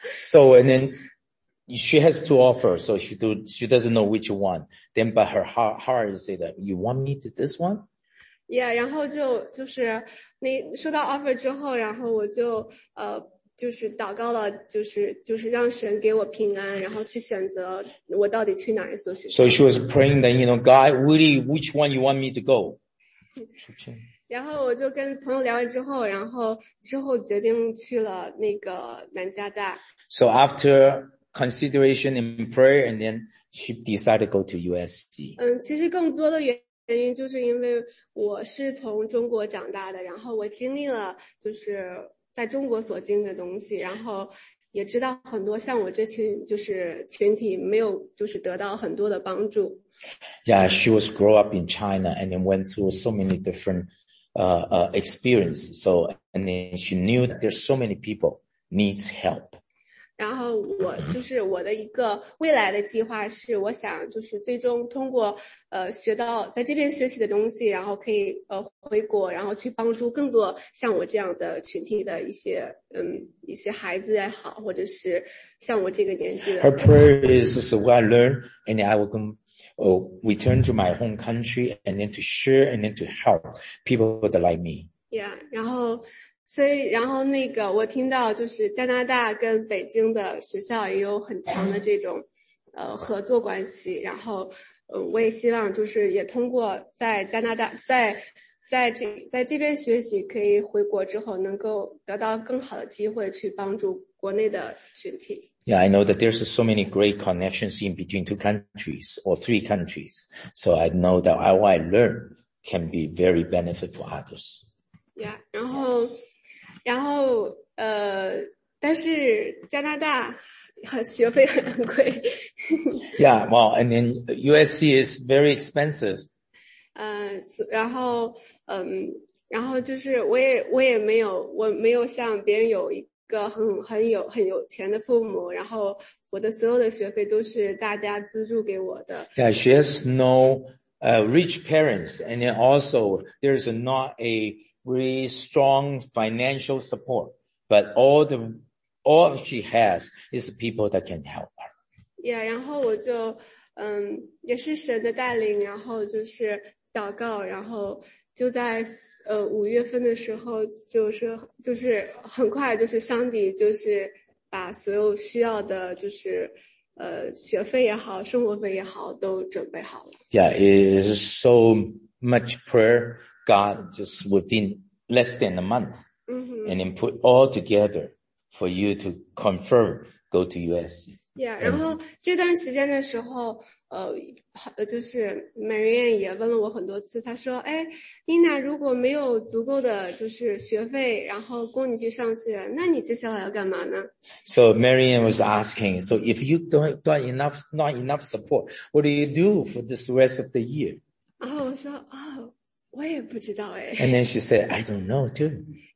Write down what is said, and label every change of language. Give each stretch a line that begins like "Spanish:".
English: So and then she has two offers, so she doesn't know which one. Then, but her heart say that you want me to this one.
Chinese: Yeah, 然后就是那收到 offer 之后，然后我就就是祷告了，就是让神给我平安，然后去选择我到底去哪一所学校。
English: So she was praying that, you know, God, really, which one you want me to go?
Chinese: 然后我就跟朋友聊完之后决定去了那个南加大。
English: So after consideration and prayer, and then she decided to go to USC.
Chinese: 其实更多的原因就是因为我是从中国长大的，然后我经历了就是在中国所经历的东西，然后也知道很多像我这群就是群体没有就是得到很多的帮助。
English: Yeah, she was grow up in China and then went through so many different experiences. So and then she knew that there's so many people needs help.
Chinese: 然后我就是我的一个未来的计划是我想就是最终通过学到在这边学习的东西，然后可以回国，然后去帮助更多像我这样的群体的一些孩子也好，或者是像我这个年纪的。
English: Her prayer is so what I learned and I will come, return to my home country and then to share and then to help people like me.
Chinese: Yeah, 然后那个我听到就是加拿大跟北京的学校也有很强的这种合作关系，然后我也希望就是也通过在加拿大在这边学习，可以回国之后能够得到更好的机会去帮助国内的群体。
English: Yeah, I know that there's so many great connections in between two countries or three countries. So I know that what I learn can be very beneficial for others.
Chinese: Yeah, 然后但是加拿大学费很贵。
English: Yeah, well, and then USC is very expensive.
Chinese: 然后就是我也没有像别人有一个很有钱的父母，然后我的所有的学费都是大家资助给我的。
English: Yeah, she has no rich parents, and then also there's not a really strong financial support, but all she has is people that can help her.
Chinese: Yeah, 然后我就也是神的带领，然后就是祷告，然后就在五月份的时候，就是很快就是上帝就是把所有需要的就是学费也好，生活费也好都准备好了。
English: Yeah, it is so much prayer, God just within less than a month. Mm-hmm. And then put all together for you to confirm, go to US.
Chinese: Yeah, 然后这段时间的时候, 就是 Marianne 也问了我很多次, 她说, 诶, Nina, 如果没有足够的就是学费, 然后供你去上学, 那你接下来要干嘛呢?
English: So Marianne was asking, so if you don't enough support, what do you do for this rest of the year?
Chinese: 然后我说, 哦, 我也不知道, 诶。
English: And then she said, I don't know too.